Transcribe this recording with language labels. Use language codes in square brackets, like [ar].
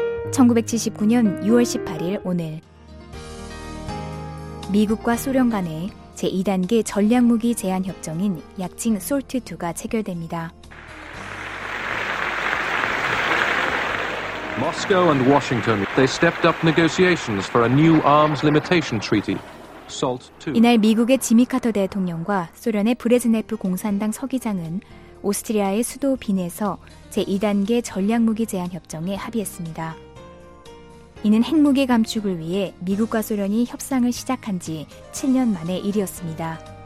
[ko] 1979년 6월 18일 오늘 미국과 소련 간의 제2단계 전략무기 제한협정인 약칭 솔트2가 체결됩니다. [en] Moscow and Washington, they stepped up negotiations for a new arms limitation treaty, SALT II. [ko] 이날 미국의 지미 카터 대통령과 소련의 브레즈네프 공산당 서기장은 오스트리아의 수도 빈에서 제2단계 전략무기 제한협정에 합의했습니다. 이는 핵무기 감축을 위해 미국과 소련이 협상을 시작한 지 7년 만의 일이었습니다.